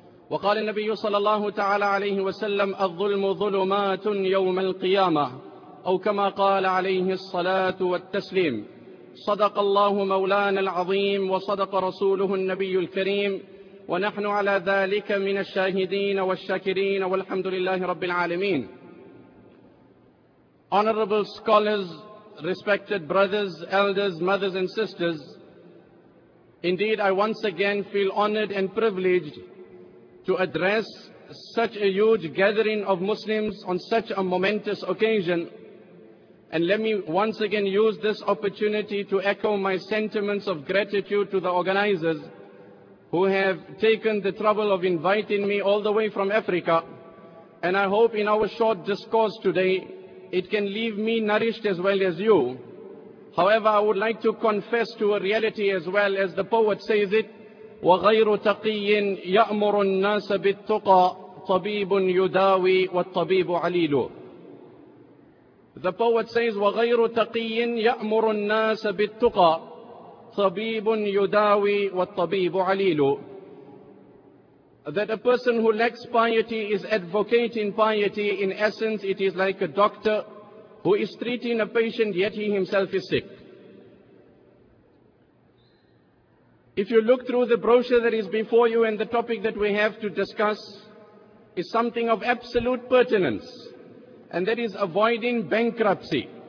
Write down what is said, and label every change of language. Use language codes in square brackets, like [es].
[ar] وقال النبي صلى الله تعالى عليه وسلم: الظلم ظلمات يوم القيامة، أو كما قال عليه الصلاة والتسليم. صدق الله مولانا العظيم، وصدق رسوله النبي الكريم، ونحن على ذلك من الشاهدين والشاكرين، والحمد لله رب العالمين. [en] Honorable scholars, respected brothers, elders, mothers and sisters, indeed I once again feel honored and privileged to address such a huge gathering of Muslims on such a momentous occasion. And let me once again use this opportunity to echo my sentiments of gratitude to the organizers who have taken the trouble of inviting me all the way from Africa. And I hope in our short discourse today, it can leave me nourished as well as you. However, I would like to confess to a reality as well, as the poet says it: [ar] وَغَيْرُ تَقِيٍّ يَأْمُرُ النَّاسَ بِالتُّقَى طَبِيبٌ يُدَاوِي وَالطَّبِيبُ عَلِيلُ. [en] The poet says: [ar] وَغَيْرُ تَقِيٍّ يَأْمُرُ النَّاسَ بِالتُّقَى طبيب يداوي والطبيب عليل. [en] That a person who lacks piety is advocating piety. In essence, it is like a doctor who is treating a patient, yet he himself is sick. If you look through the brochure that is before you, and the topic that we have to discuss is something of absolute pertinence, and that is avoiding bankruptcy.